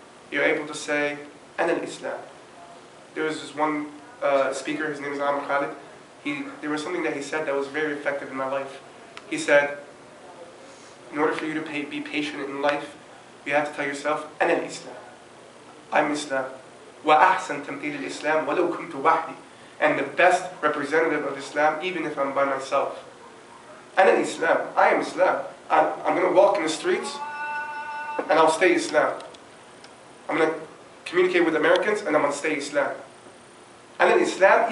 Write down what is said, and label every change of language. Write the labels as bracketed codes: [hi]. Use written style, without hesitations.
[en] You're able to say, and an Islam. There was this one speaker, his name is Ahmad Khalid. There was something that he said that was very effective in my life. He said, in order for you to be patient in life, you have to tell yourself, [ar] أنا الإسلام. [en] I'm Islam. [ar] وأحسن تمثيل الإسلام ولو كنت وحدي. [en] And the best representative of Islam, even if I'm by myself. [ar] أنا الإسلام. [en] I am Islam. I'm going to walk in the streets, and I'll stay Islam. I'm going to communicate with Americans, and I'm going to stay Islam. [ar] أنا الإسلام.